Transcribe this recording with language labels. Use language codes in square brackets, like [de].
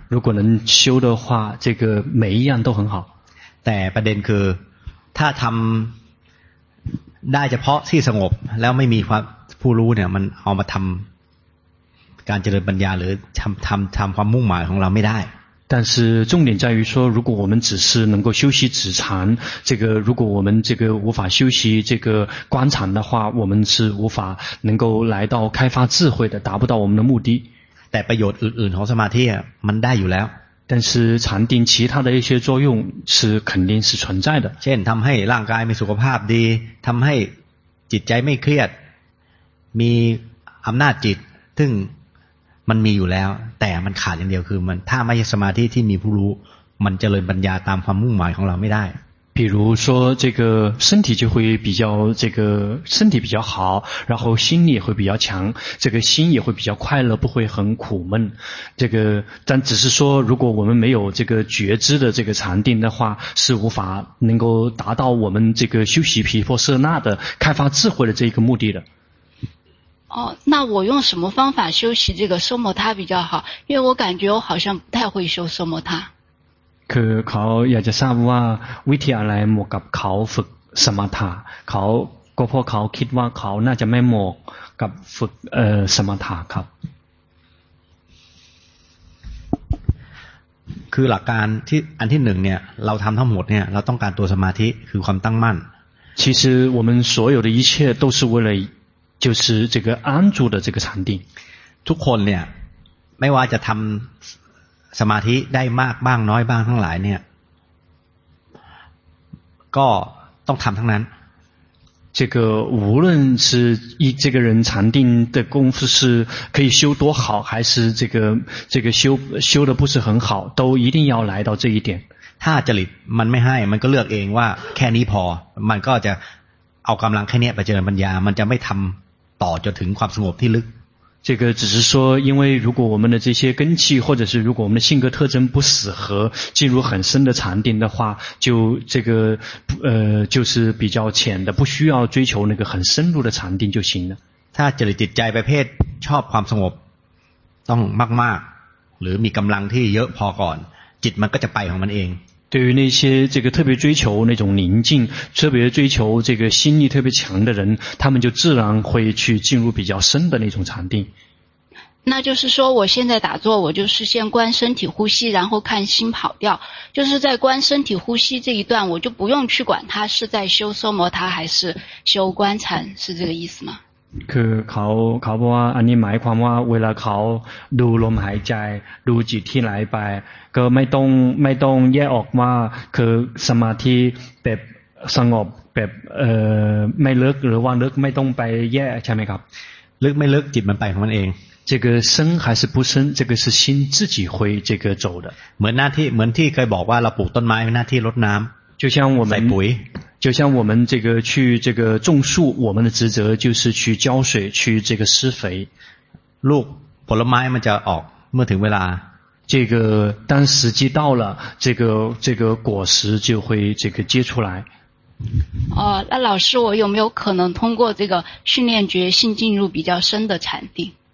[zh] 如果能修的话这个每一样都很好 [th] แต่ประเด็นคือถ้าทำได้เฉพาะที่สงบแล้วไม่มีความผู้รู้เนี่ยมันเอามาทำการเจริญปัญญาหรือทำความมุ่งหมายของเราไม่ได้ [zh] 但是重点在于说如果我们只是能够修习止禅这个如果我们这个无法修习这个观禅的话我们是无法能够来到开发智慧的达不到我们的目的 [th] แต่ประโยชน์อื่นๆของสมาธิมันได้อยู่แล้ว [zh] 但是禅定其他的一些作用是肯定是存在的 [th] เช่นทำให้ร่างกายมีสุขภาพดีทำให้จิตใจไม่เครียดมีอำนาจจิตซึ่งมันมีอยู่แล้วแต่มันขาดอย่างเดียวคือมันถ้าไม่ใช่สมาธิที่มีผู้รู้มันเจริญปัญญาตามความมุ่งหมายของเราไม่ได้ [zh] 比如说这个身体就会比较这个身体比较好然后心力也会比较强这个心也会比较快乐不会很苦闷这个但只是说如果我们没有这个觉知的这个禅定的话是无法能够达到我们这个修习毗婆舍那的开发智慧的这一个目的的哦，那我用什么方法修习这个奢摩他比较好？因为我感觉我好像不太会修奢摩他。 [th] คือเขาอยากจะทราบว่าวิธีอะไรเหมาะกับเขาฝึกสมถะเขาก็เพราะเขาคิดว่าเขาน่าจะไม่เหมาะกับฝึกสมถะครับ คือหลักการที่อันที่หนึ่งเนี่ยเราทำทั้งหมดเนี่ยเราต้องการตัวสมาธิคือความตั้งมั่น [zh] 其实我们所有的一切都是为了就是这个安住的这个禅定 [th] ทุกคนเนี่ยไม่ว่าจะทำสมาธิได้มากบ้างน้อยบ้างทั้งหลายเนี่ยก็ต้องทำทั้งนั้น [zh] 这个无论是一这个人禅定的功夫是可以修多好还是这个修的不是很好都一定要来到这一点 [th] ถ้าจริตมันไม่ให้มันก็เลือกเองว่าแค่นี้พอมันก็จะเอากำลังแค่นี้ไปเจริญปัญญามันจะไม่ทำต่อจนถึงความสงบที่ลึก [zh] 这个只是说因为如果我们的这些根器或者是如果我们的性格特征不适合进入很深的禅定的话就这个就是比较浅的不需要追求那个很深入的禅定就行了 [th] ถ้าจริตใจประเภทชอบความสงบต้องมากๆหรือมีกำลังที่เยอะพอก่อนจิตมันก็จะไปของมันเอง [zh] 对于那些这个特别追求那种宁静特别追求这个心力特别强的人他们就自然会去进入比较深的那种禅定那就是说我现在打坐我就是先观身体呼吸然后看心跑掉就是在观身体呼吸这一段我就不用去管他是在修奢摩他还是修观禅是这个意思吗 [th] คือเขาบอกว่าอันนี้หมายความว่าเวลาเขาดูลมหายใจดูจิตที่ไหลไปก็ไม่ต้องแยกออกมาคือสมาธิแบบสงบแบบไม่ลึกหรือว่าลึกไม่ต้องไปแยกใช่ไหมครับ ลึกไม่ลึกจิตมันไปของมันเอง [zh] 这个深还是不深这个是心自己会这个走的 [th] เหมือนที่เคยบอกว่าเราปลูกต้นไม้เป็นหน้าที่รดน้ำ [zh] 就像我们 [th] ใส่ปุ๋ย [zh] 就像我们这个去这个种树我们的职责就是去浇水去这个施肥 [th] ลูกผลไม้มันจะออกเมื่อถึงเวลา [zh] 这个当时机到了这个果实就会这个结出来哦那老师我有没有可能通过这个训练决心进入比较深的禅定